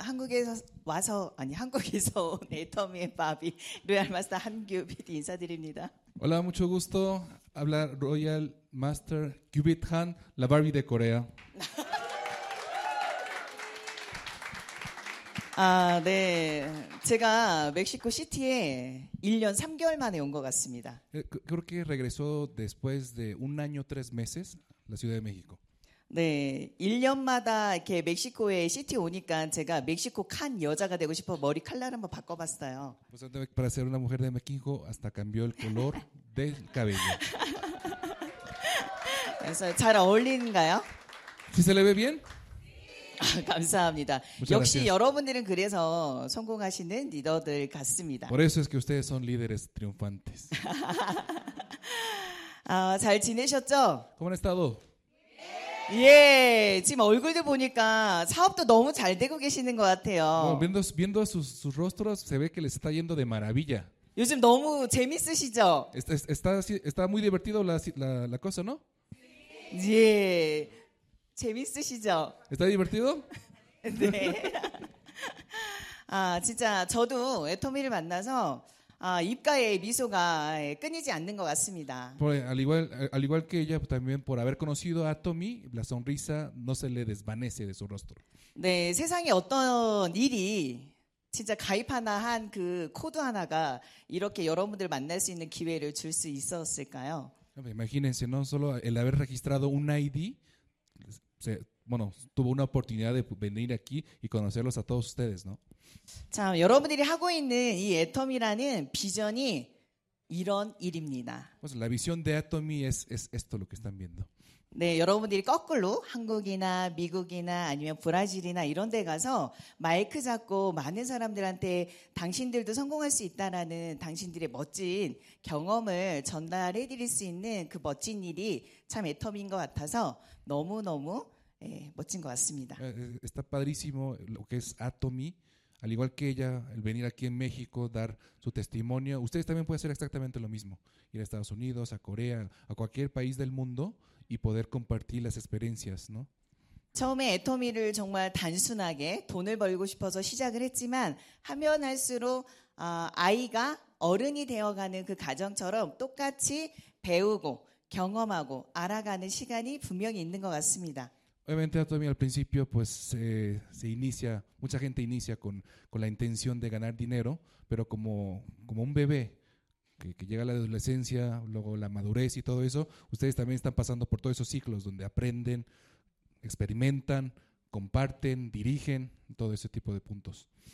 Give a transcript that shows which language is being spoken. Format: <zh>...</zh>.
<ko>한국에서 와서 아니 한국에서 온 애터미의 바비 로얄 마스터 한규 PD 인사드립니다.</ko> <es>Hola, mucho gusto hablar Royal Master Gyubit Han, la Barbie de Corea.</es> <ko>아, 네. 제가 멕시코 시티에 1년 3개월 만에 온 것 같습니다.</ko> <es>Creo que regresó después de un año tres meses la Ciudad de México.</es> <ko>네, 1년마다 이렇게 멕시코에 시티 오니까 제가 멕시코 칸 여자가 되고 싶어 머리 컬러를 한번 바꿔봤어요.</ko> <es>Para ser una mujer de México hasta cambió el color del cabello.</es> <ko>그래서 잘 어울리는가요?</ko> <es>¿Sí se le ve bien?</es> <ko>감사합니다. 역시 여러분들은 그래서 성공하시는 리더들 같습니다.</ko> <es>Por eso es que ustedes son líderes triunfantes.</es> <ko>아, 잘 지내셨죠?</ko> <es>¿Cómo han estado?</es> <ko>예, 지금 얼굴도 보니까 사업도 너무 잘 되고 계시는 것 같아요.</ko> <es>Bueno, viendo sus rostros se ve que les está yendo de maravilla.</es> <ko>요즘 너무 재밌으시죠?</ko> <es>Está muy divertido la cosa, ¿no?</es> <ko>예, 재밌으시죠?</ko> <es>¿Está divertido?</es> <ko>네. 아, 진짜 저도 애터미를 만나서 아, 입가에 미소가 끊이지 않는 것 같습니다.</ko> <es>Al igual que ella también por haber conocido a Tommy, la sonrisa no se le desvanece de su rostro.</es> <ko>네, 세상에 어떤 일이 진짜 가입 하나 한 그 코드 하나가 이렇게 여러분들 만날 수 있는 기회를 줄 수 있었을까요?</ko> <es>Imagínense, no solo el haber registrado un ID, bueno, tuvo una oportunidad de venir aquí y conocerlos a todos ustedes, ¿no?</es> <ko>참 여러분들이 하고 있는 이 애터미라는 비전이 이런 일입니다.</ko> <es>Pues la visión de Atomy es esto lo que están viendo.</es> <ko>네, 여러분들이 거꾸로 한국이나 미국이나 아니면 브라질이나 이런 데 가서 마이크 잡고 많은 사람들한테 당신들도 성공할 수 있다라는 당신들의 멋진 경험을 전달해 드릴 수 있는 그 멋진 일이 참 애터미인 것 같아서 너무너무 예, 멋진 것 같습니다.</ko> <es>Está padrísimo lo que es Atomy. Al igual que ella, el venir aquí en México, dar su testimonio, ustedes también pueden hacer exactamente lo mismo. Ir a Estados Unidos, a Corea, a cualquier país del mundo y poder compartir las experiencias, ¿no?</es> <ko>처음에 애터미를 정말 단순하게 돈을 벌고 싶어서 시작을 했지만 하면 할수록 아이가 어른이 되어가는 그 가정처럼 똑같이 배우고 경험하고 알아가는 시간이 분명히 있는 것 같습니다.</ko> <es>Obviamente, Atomy al principio, pues se inicia, mucha gente inicia con la intención de ganar dinero, pero como un bebé que llega a la adolescencia, luego la madurez y todo eso, ustedes también están pasando por todos esos ciclos donde aprenden, experimentan, comparten, dirigen, todo ese tipo de puntos.</es>